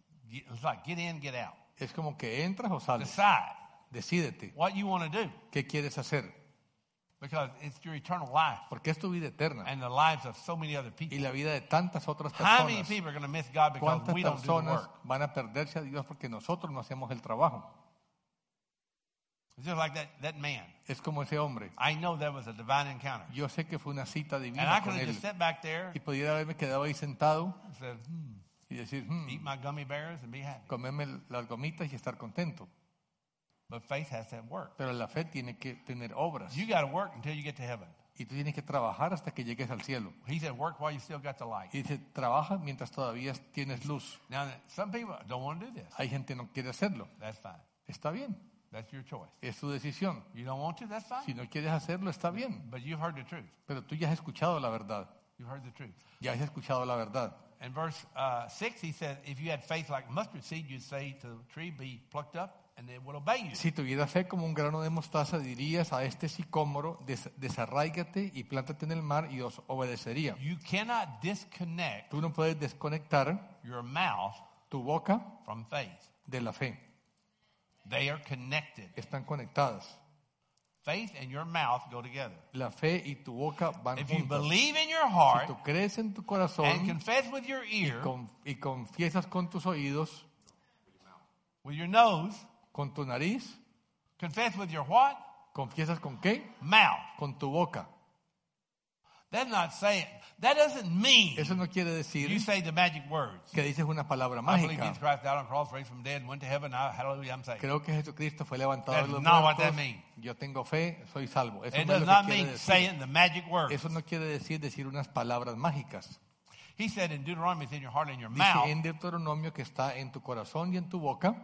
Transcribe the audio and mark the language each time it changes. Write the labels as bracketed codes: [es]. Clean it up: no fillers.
[en] It's like get in, get out. [es] Es como que entras o sales. [en] Decide. [es] Decídete. [en] What you want to do. [es] ¿Qué quieres hacer? [en] Because it's your eternal life. [es] Porque es tu vida eterna. [en] And the lives of so many other people. [es] Y la vida de tantas otras personas. [en] How many people are going to miss God because we don't do the work? [es] ¿Cuántas personas van a perderse a Dios porque nosotros no hacemos el trabajo? [en] It's just like that man. [es] Es como ese hombre. [en] I know that was a divine encounter. [es] Yo sé que fue una cita divina. [en] And I could have just sat back there. [es] Y pudiera haberme quedado ahí sentado. [en] And said, [es] y decir, [en] eat my gummy bears and be happy. [es] Comerme las gomitas y estar contento. [en] But faith has to work. [es] Pero la fe tiene que tener obras. [en] You got to work until you get to heaven. [es] Y tú tienes que trabajar hasta que llegues al cielo. [en] He said, work while you still got the light. [es] Y dice, trabaja mientras todavía tienes luz. [en] Now, some people don't want to do this. [es] Hay gente que no quiere hacerlo. [en] That's fine. [es] Está bien. [en] That's your choice. [es] Es tu decisión. [en] You don't want to, that's fine. [es] Si no quieres hacerlo, está bien. [en] But you've heard the truth. [es] Pero tú ya has escuchado la verdad. [en] You've heard the truth. [es] Ya has escuchado la verdad. [en] In verse 6, he said, if you had faith like mustard seed, you'd say to the tree, be plucked up, and it would obey you. [es] Si tuvieras fe como un grano de mostaza, dirías a este sicómoro, desarráigate y plántate en el mar, y os obedecería. [en] You cannot disconnect [es] tú no puedes desconectar [en] your mouth [es] tu boca [en] from faith. [es] De la fe. [en] They are connected. [es] Están conectadas. [en] Faith and your mouth go together. [es] La fe y tu boca van juntas. [en] If you believe in your heart, [es] si tú crees en tu corazón, [en] and confess with your ear, [es] y confiesas con tus oídos, [en] with your nose, [es] con tu nariz, [en] confess with your what? [es] Confiesas con qué? [en] Mouth. [es] Con tu boca. [en] That's not saying. That doesn't mean. [es] Eso no quiere decir. [en] You say the magic words. [es] Que dices una palabra mágica. [en] I believe Jesus Christ died on the cross, raised from the dead, and went to heaven. Hallelujah, I'm saying. [es] Creo que Jesucristo fue levantado de los muertos. [en] That's not what that means. [es] Yo tengo fe, soy salvo. Eso [en] it does not mean [es] decir [en] saying the magic words. [es] Eso no quiere decir unas palabras mágicas. [en] He said in Deuteronomy, it's in your heart and your mouth. [es] Dice en Deuteronomio que está en tu corazón y en tu boca.